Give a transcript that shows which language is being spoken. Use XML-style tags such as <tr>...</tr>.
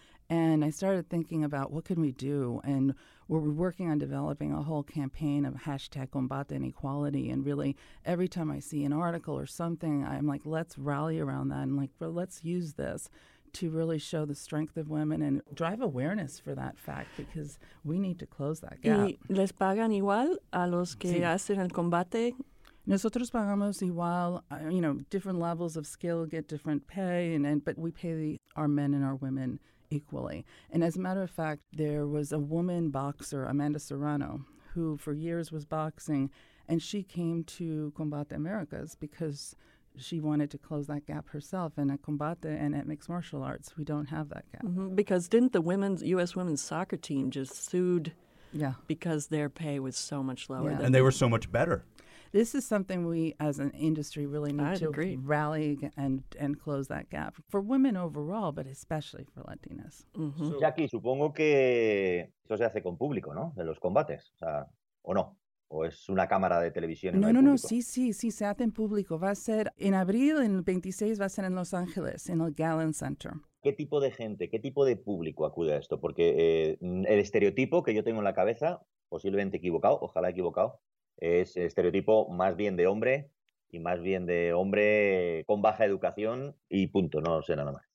<en>And I started thinking about what can we do, and we're working on developing a whole campaign of hashtag combate inequality, and really every time I see an article or something, I'm like, let's rally around that, and like, well, let's use this to really show the strength of women and drive awareness for that fact because we need to close that gap.</en> <es>¿Y les pagan igual a los que hacen el combate? Nosotros pagamos igual,</es> <en>different levels of skill get different pay, but we pay our men and our women equally. And as a matter of fact, there was a woman boxer, Amanda Serrano, who for years was boxing, and she came to Combate Americas because she wanted to close that gap herself in a combate and at mixed martial arts. We don't have that gap. Mm-hmm. Because didn't the U.S. women's soccer team just sued because their pay was so much lower? Yeah. And they were so much better. This is something we as an industry really need to rally and close that gap for women overall, but especially for Latinas. Mm-hmm.</en> <es>So, Jackie, supongo que eso se hace con público, ¿no? De los combates, o no. ¿O es una cámara de televisión? No, sí, se hace en público. Va a ser en abril, en el 26, va a ser en Los Ángeles, en el Gallen Center. ¿Qué tipo de gente, qué tipo de público acude a esto? Porque el estereotipo que yo tengo en la cabeza, posiblemente equivocado, ojalá equivocado, es el estereotipo más bien de hombre y más bien de hombre con baja educación y punto, no sé nada más.</es>